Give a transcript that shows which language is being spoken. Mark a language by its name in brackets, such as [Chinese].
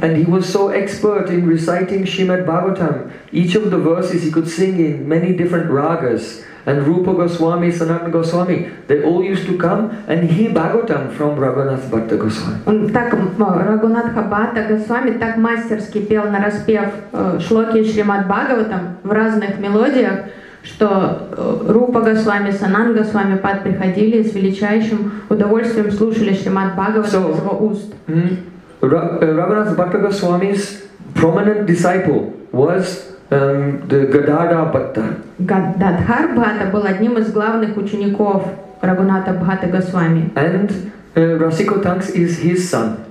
[English] And he was so expert in reciting Srimad Bhagavatam. Each of the verses he could sing in many different ragas. And Rupa Goswami, Sanatana Goswami, they all used to come and hear Bhagavatam from Raghunath Bhatta Goswami. [Russian] Он так Raghunatha Bhatta Goswami так мастерски пел на распев шлоки Шримад Бхагаватам в разных мелодиях, что Рупа Госвами, Санан Госвами приходили с величайшим удовольствием слушали Шримад Бхагаватам из его уст. [English] Raghunath Bhatta Goswami's prominent disciple was the Gadadhar Bhatta. [Russian] Gadadhar Bhatta был одним из главных учеников Raghunatha Bhatta Goswami. [English] And Rasika Utangsa is his son.